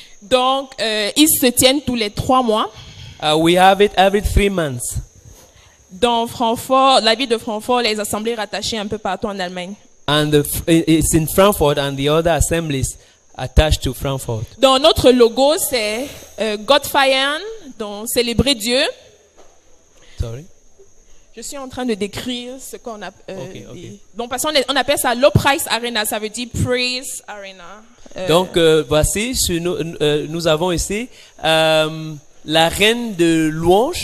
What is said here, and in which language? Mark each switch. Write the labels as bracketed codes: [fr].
[fr] Donc ils se tiennent tous les trois mois. [en] We have it every 3 months. [fr] Dans Francfort, la ville de Francfort, les assemblées rattachées un peu partout en Allemagne. [en] And it's in Frankfurt and the other assemblies attached to Frankfurt. [fr] Dans notre logo, c'est God feiern, donc célébrer Dieu. [en] Sorry. [fr] Je suis en train de décrire ce qu'on a. Donc parce qu'on appelle ça Lobpreis Arena, ça veut dire praise arena. Voici, nous avons ici. La reine de louange.